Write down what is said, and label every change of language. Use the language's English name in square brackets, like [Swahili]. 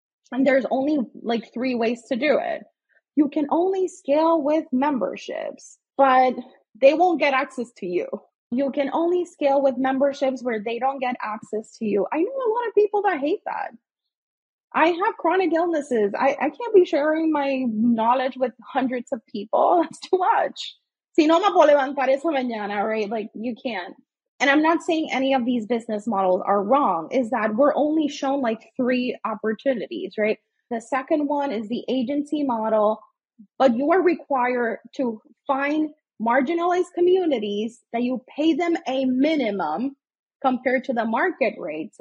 [English] And there's only like three ways to do it. You can only scale with memberships, but they won't get access to you. You can only scale with memberships where they don't get access to you. I know a lot of people that hate that. I have chronic illnesses. I can't be sharing my knowledge with hundreds of people. That's too much. [Spanish] Si no me puedo levantar esa mañana, [English] right? Like, you can't. And I'm not saying any of these business models are wrong. Is that we're only shown like three opportunities, right? The second one is the agency model, but you are required to find marginalized communities that you pay them a minimum compared to the market rate.